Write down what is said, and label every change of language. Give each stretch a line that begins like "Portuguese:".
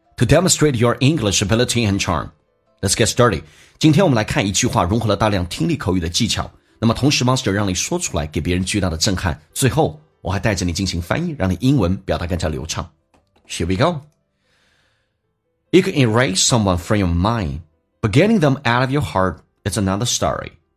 English: To demonstrate your English ability and charm, let's get started.
Chinese: 今天我们来看一句话融合了大量听力口语的技巧，那么同时 Master 让你说出来给别人巨大的震撼，最后我还带着你进行翻译，让你英文表达更加流畅。
English: Here we go. You can erase someone from your mind, but getting them out of your heart is another story.